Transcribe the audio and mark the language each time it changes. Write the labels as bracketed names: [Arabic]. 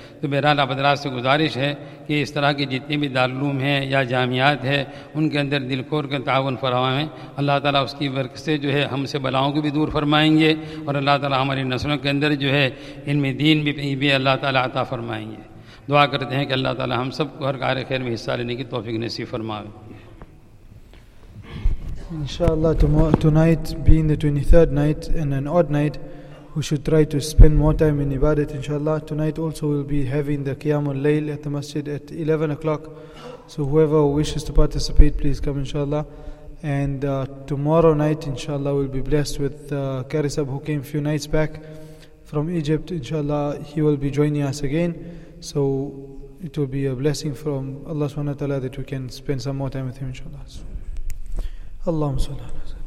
[Urdu] تو بہرحال آپ حضرات سے گزارش ہے کہ اس طرح کے جتنے بھی دارالعلوم ہیں یا جامعات ہیں ان کے اندر دل کھول کر تعاون فرمائیں. اللہ تعالیٰ اس کی برکت سے جو ہے ہم سے بلاؤں کو بھی دور فرمائیں گے اور اللہ تعالیٰ ہماری نسلوں کے اندر جو ہے ان میں دین بھی اللہ تعالیٰ عطا فرمائیں گے. دعا کرتے ہیں کہ اللہ تعالیٰ ہم سب کو ہر کار خیر میں حصہ لینے کی توفیق نصیب فرمائے. [English] Inshallah, tonight being the 23rd night and an odd night, we should try to spend more time in Ibadat, inshallah. Tonight also we'll be having the Qiyamul Layl at the masjid at 11 o'clock. So whoever wishes to participate, please come, inshallah. And tomorrow night, inshallah, we'll be blessed with Karisab, who came a few nights back from Egypt. Inshallah, he will be joining us again. So it will be a blessing from Allah subhanahu wa ta'ala that we can spend some more time with him, inshallah. [Arabic] So, اللهم صل على